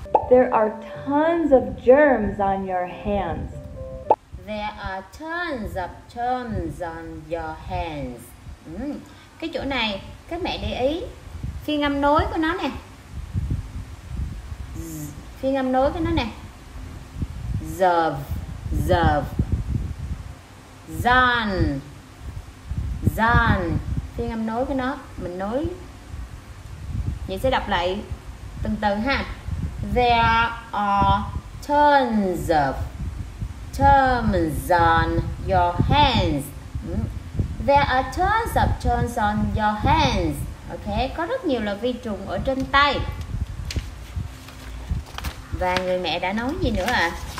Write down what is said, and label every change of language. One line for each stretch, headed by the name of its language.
English: There are tons of germs on your hands. There are tons of germs on your hands.
Vietnamese: Cái chỗ này, các mẹ để ý phiên âm nối của nó nè. Phiên âm nối của nó nè. Zerv, zerv. Zan, zan. Phiên âm nối của nó, mình nối. Vậy sẽ đọc lại từng từ ha.
English: There are tons of germs on your hands. There are tons of germs on your hands.
Vietnamese: Ok, có rất nhiều là vi trùng ở trên tay. Và người mẹ đã nói gì nữa ạ?